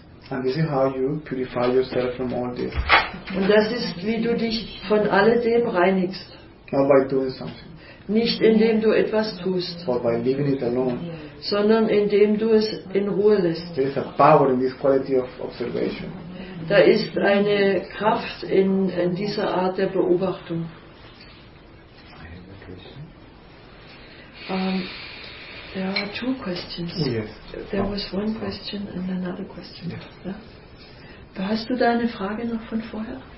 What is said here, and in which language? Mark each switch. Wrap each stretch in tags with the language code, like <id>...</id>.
<en>And this is how you purify yourself from all this.</en> <de>Und das ist, wie du dich von alledem reinigst.</de> <en>Not by doing something.</en> <de>Nicht indem du etwas tust.</de> <en>But by leaving it alone.</en> <de>Sondern indem du es in Ruhe lässt.</de> <en>There is a power in this quality of observation.</en> <de>Da ist eine Kraft in dieser Art der Beobachtung.</de> <en>There are two questions. Oh, yes. There was one question and another question. Yeah.</en> <de>Hast du deine Frage noch von vorher?</de>